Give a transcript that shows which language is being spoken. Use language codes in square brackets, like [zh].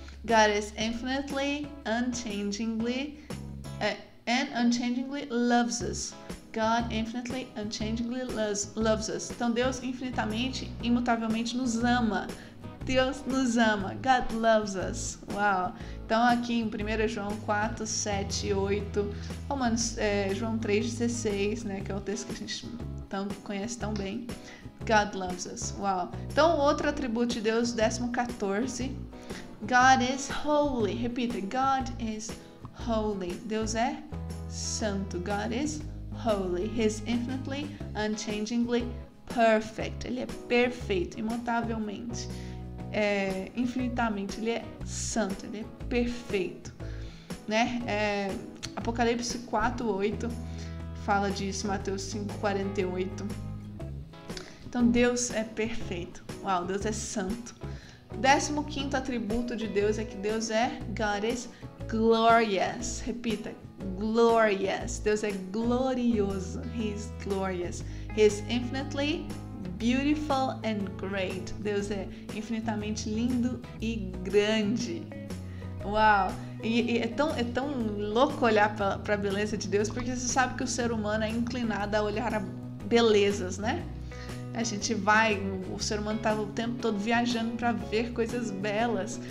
[en] God is infinitely, unchangingly, and unchangingly loves us. God infinitely, unchangingly loves us. [pt] Então, Deus infinitamente, imutavelmente nos ama. Deus nos ama. [en] God loves us. [pt] Uau. Então, aqui em 1 João 4, 7 e 8, Romanos, João 3, 16, né, que é o texto que a gente conhece tão bem. God loves us. Uau. Então, outro atributo de Deus, 14. [en] God is holy. [pt] Repita. [en] God is holy. [pt] Deus é santo. [en] God is holy. He is infinitely, unchangingly perfect. [pt] Ele é perfeito, imutavelmente. Infinitamente, ele é santo, ele é perfeito, né? Apocalipse 4:8 fala disso, Mateus 5:48. Então, Deus é perfeito. Uau, Deus é santo. 15º atributo de Deus é que Deus é [en] God is glorious. [pt] Repita, glorious. Deus é glorioso. [en] He is glorious. He is infinitely beautiful and great. [pt] Deus é infinitamente lindo e grande. Uau! E é tão louco olhar para a beleza de Deus, porque você sabe que o ser humano é inclinado a olhar a belezas, né? A gente vai, o ser humano está o tempo todo viajando para ver coisas belas.